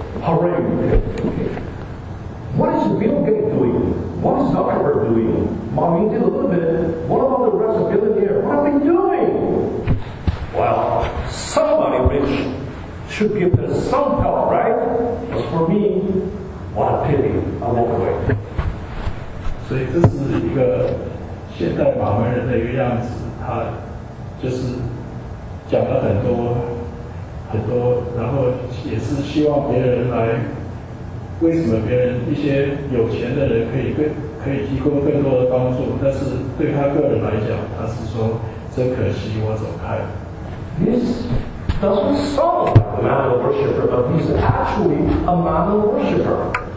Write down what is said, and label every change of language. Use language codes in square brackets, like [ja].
[en] Hooray. What is Bill Gates doing? What is Zuckerberg doing? Ma Ying did a little bit. What about the rest of billionaires? What are they doing? Well, somebody rich should give them some help, right? But for me, what a pity, I walk away. [zh] 所以这是一个现代马门人的一个样子，他就是讲了很多很多，然后也是希望别人来，为什么别人一些有钱的人可以提供更多的帮助，但是对他个人来讲，他是说真可惜，我走开了。 [en] This doesn't sound like a mammon worshipper, but he's actually a mammon worshipper.